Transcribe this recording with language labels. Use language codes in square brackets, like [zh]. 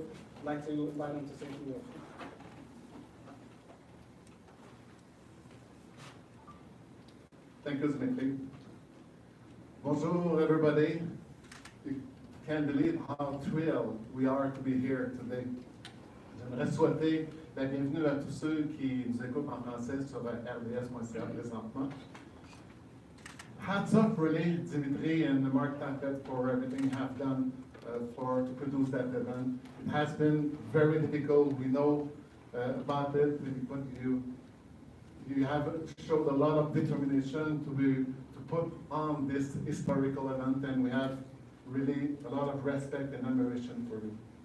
[en] I'd like to invite them to say a few words. Thank you, Snickley. [fr] Bonjour, [en] everybody. You can't believe how thrilled we are to be here today. [fr] J'aimerais souhaiter la bienvenue à tous ceux qui nous écoutent en français sur RDS.ca présentement. [en] Hats off, really, Dimitri and Mark Taffet for everything you have done to produce that event. It has been very difficult. We know about it, but you have showed a lot of determination to put on this historical event, and we have really a lot of respect and admiration for you.